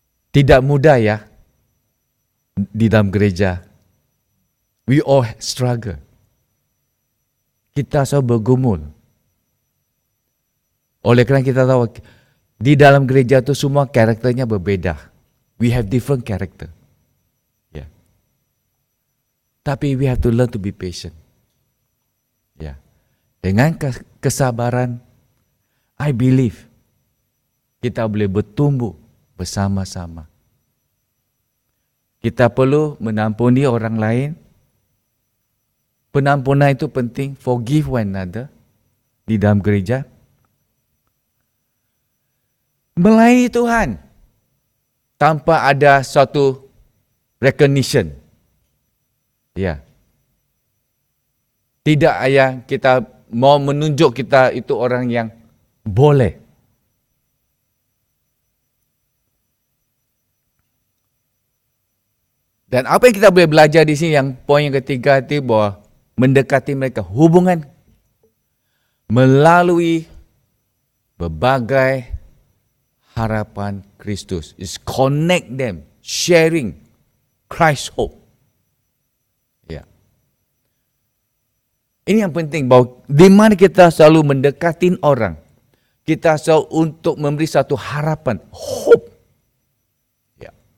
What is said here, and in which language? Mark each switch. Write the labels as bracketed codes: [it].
[id] Tidak mudah ya di dalam gereja. [en] We all struggle. [id] Kita selalu bergumul. Oleh karena kita tahu di dalam gereja itu semua karakternya berbeda. [en] We have different character. Yeah. [id] Tapi [en] we have to learn to be patient. Yeah. [id] Dengan kesabaran, [en] I believe [id] kita boleh bertumbuh bersama-sama. Kita perlu menampuni orang lain. Penampunan itu penting. [en] Forgive one another [id] di dalam gereja. Melayani Tuhan tanpa ada suatu recognition. Ya. Tidak ada kita mau menunjuk kita itu orang yang boleh. Dan apa yang kita boleh belajar di sini, yang poin yang ketiga itu bahwa mendekati mereka, hubungan melalui berbagai harapan Kristus. [en] Is connect them, sharing Christ's hope. Yeah. [id] Ini yang penting, bahwa di mana kita selalu mendekatin orang, kita selalu untuk memberi satu harapan, hope. [en] Yeah.